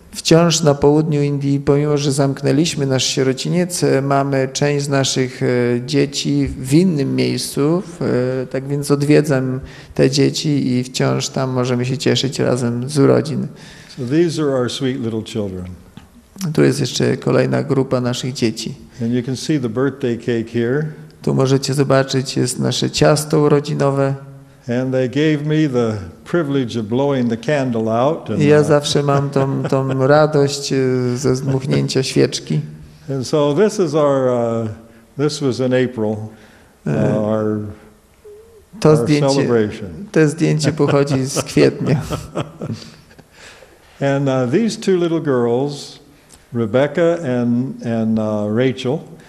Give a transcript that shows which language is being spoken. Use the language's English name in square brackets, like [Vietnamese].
[Polish] Wciąż na południu Indii, pomimo że zamknęliśmy nasz sierociniec, mamy część z naszych dzieci w innym miejscu, tak więc odwiedzam te dzieci I wciąż tam możemy się cieszyć razem z urodzin. [English] So these are our sweet little children. [Polish] Tu jest jeszcze kolejna grupa naszych dzieci. [English] And you can see the birthday cake here. [Polish] Tu możecie zobaczyć, jest nasze ciasto urodzinowe. [English] And they gave me the privilege of blowing the candle out. [Polish] Ja zawsze mam tą radość ze zdmuchnięcia świeczki. [English] And so this is our this was in April our celebration. [Polish] To zdjęcie pochodzi z kwietnia. [English] And these two little girls, Rebecca and Rachel.